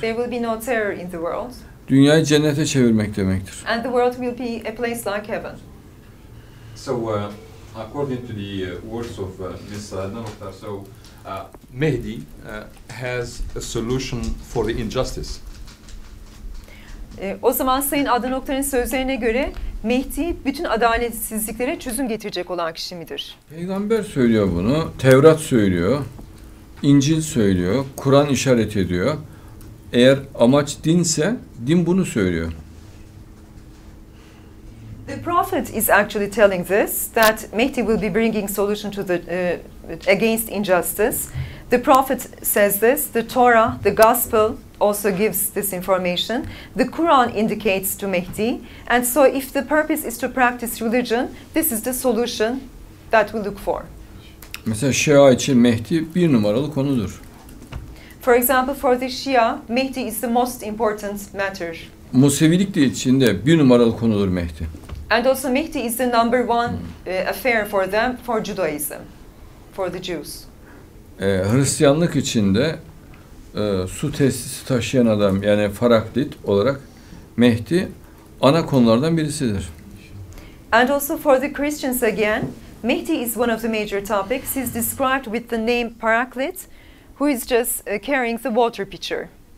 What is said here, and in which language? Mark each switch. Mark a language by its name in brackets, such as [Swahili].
[English] There will be no terror in the world. [Turkish] Dünyayı cennete çevirmek demektir. [English] And the world will be a place like heaven. So according to the words of Ms. Danoktar, so Mehdi has a solution for the injustice. [Turkish] O zaman Sayın Adnanoktar'ın sözlerine göre Mehdi bütün adaletsizliklere çözüm getirecek olan kişi midir? Peygamber söylüyor bunu, Tevrat söylüyor, İncil söylüyor, Kur'an işaret ediyor. Eğer amaç dinse, din bunu söylüyor. [English] The prophet is actually telling this, that Mehdi will be bringing solution to the against injustice. The prophet says this, the Torah, the gospel also gives this information. The Quran indicates to Mehdi. And so if the purpose is to practice religion, this is the solution that we look for. [Turkish] Mesela Şia için Mehdi bir numaralı konudur. [English] For example, for the Shia, Mehdi is the most important matter. [Turkish] Musevilik de içinde bir numaralı konudur Mehdi. [English] And also Mehdi is the number one affair for them, for Judaism, for the Jews. [Turkish] Hristiyanlık içinde su tesisi taşıyan adam yani Faraklit olarak Mehdi ana konulardan birisidir. [English] And also for the Christians again, Mehdi is one of the major topics. He's described with the name Paraklit, who is just carrying the water pitcher.